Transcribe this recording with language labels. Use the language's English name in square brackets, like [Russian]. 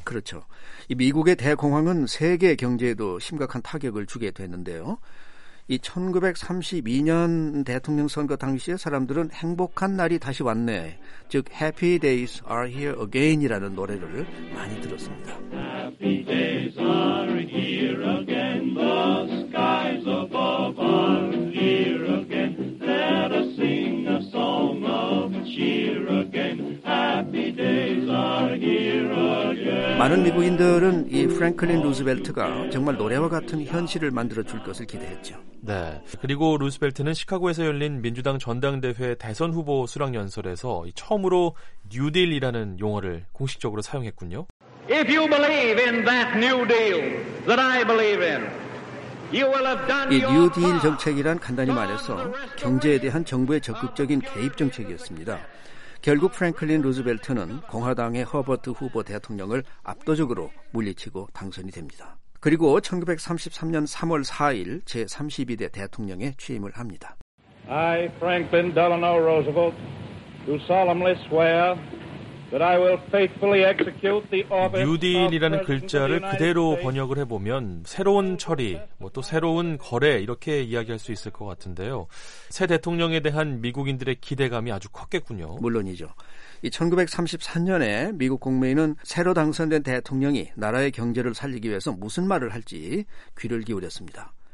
[Korean] 그렇죠. 이 미국의 대공황은 세계 경제에도 심각한 타격을 주게 됐는데요. 이 1932년 대통령 선거 당시에 사람들은 행복한 날이 다시 왔네, 즉 Happy Days Are Here Again이라는 노래를 많이 들었습니다. [English] Happy Days Are Here Again, The skies above are clear again, Let us sing a song of cheer again, Happy Days Are Here Again. [Korean] 많은 미국인들은 이 프랭클린 루즈벨트가 정말 노래와 같은 현실을 만들어줄 것을 기대했죠. 네. 그리고 루스벨트는 시카고에서 열린 민주당 전당대회 대선 후보 수락 연설에서 처음으로 뉴딜이라는 용어를 공식적으로 사용했군요. [English] If you believe in that new deal that I believe in, you will have done. [Korean] 이 뉴딜 정책이란 간단히 말해서 경제에 대한 정부의 적극적인 개입 정책이었습니다. 결국 프랭클린 루스벨트는 공화당의 허버트 후보 대통령을 압도적으로 물리치고 당선이 됩니다. 그리고 1933년 3월 4일 제32대 대통령에 취임을 합니다. [English] I, Franklin Delano Roosevelt, do solemnly swear that I will faithfully execute the office. [Korean] 뉴딜이라는 글자를 그대로 번역을 해보면 새로운 처리, 뭐 또 새로운 거래 이렇게 이야기할 수 있을 것 같은데요. 새 대통령에 대한 미국인들의 기대감이 아주 컸겠군요. 물론이죠. 1934년에 미국 국민은 새로 당선된 대통령이 나라의 경제를 살리기 위해서 무슨 말을 할지 귀를 기울였습니다.